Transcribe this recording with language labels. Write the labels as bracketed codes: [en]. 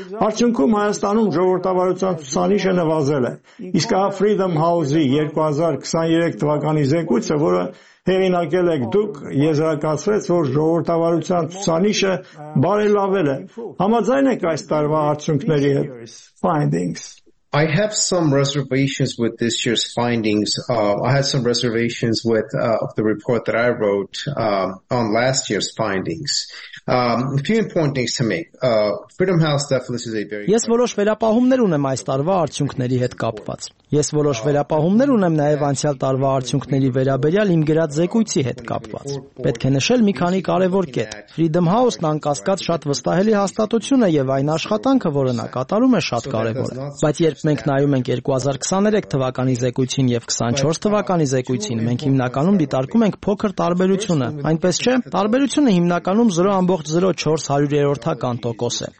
[hy] Արդյունքում Հայաստանում ժողովրդավարության ցուցանիշը նվազել է։ Իսկ Freedom House-ի 2023 թվականի զեկույցը, որը հեղինակել եք դուք, եզրակացրեց, որ ժողովրդավարության ցուցանիշը բարելավել է։ Համաձայն եք այս տարվա արդյունքների հետ? [en] Findings. I have some reservations with this year's findings. I had some reservations with the report that I wrote on last year's findings. A few important things to make. Freedom House definitely is a very [hy] Ես որոշ վերապահումներ ունեմ այս տարվա արդյունքների հետ կապված։ Ես որոշ վերապահումներ ունեմ նաև անցյալ տարվա արդյունքների վերաբերյալ իմ գրած զեկույցի հետ կապված։ Պետք է նշել մի քանի կարևոր կետ։ Freedom House-ն անկասկած շատ վստահելի հաստատություն է եւ այն աշխատանքը, որը նա կատարում է, շատ կարևոր է։ Բայց երբ մենք նայում ենք 2023 թվականի զեկույցին եւ 24 թվականի զեկույցին, մենք հիմնականում դիտարկում ենք փոքր տարբերությունը։ Այնպես չէ, տարբերությունը հիմնականում 0.04%-ական է։